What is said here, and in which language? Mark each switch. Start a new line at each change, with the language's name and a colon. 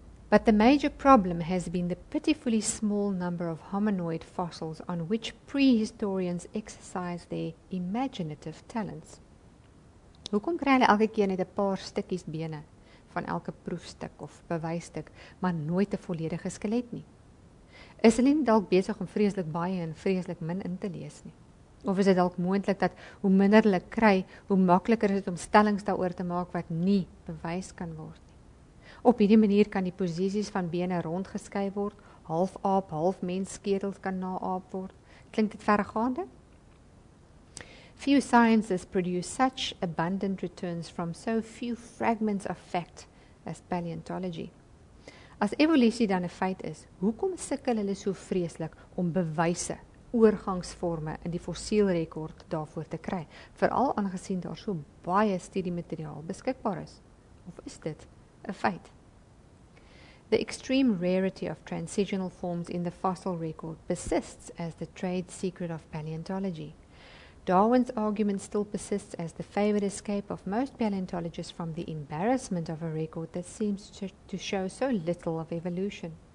English: But the major problem has been the pitifully small number of hominoid fossils on which prehistorians exercise their imaginative talents.
Afrikaans: Hoekom kry hulle elke keer net 'n paar stukkies bene van elke proefstuk of bewysstuk, maar nooit 'n volledige skelet nie? Is hulle nie dalk besig om vreeslik baie en vreeslik min in te lees nie? Of is dit dalk moontlik dat hoe minder hulle kry, hoe makliker is dit om stellings daaroor te maak wat nie bewys kan word nie? Op hierdie manier kan die posisies van bene rondgeskei word, half aap, half mens skedels kan naaap word. Klink dit verregaande?
English: Few sciences produce such abundant returns from so few fragments of fact as paleontology.
Afrikaans: As evolusie dan 'n feit is, hoekom sukkel hulle so vreeslik om bewyse, oorgangsvorme in die fossielrekord daarvoor te kry, veral aangesien daar so baie studiemateriaal beskikbaar is? Of is dit 'n feit?
English: The extreme rarity of transitional forms in the fossil record persists as the trade secret of paleontology. Darwin's argument still persists as the favored escape of most paleontologists from the embarrassment of a record that seems to show so little of evolution.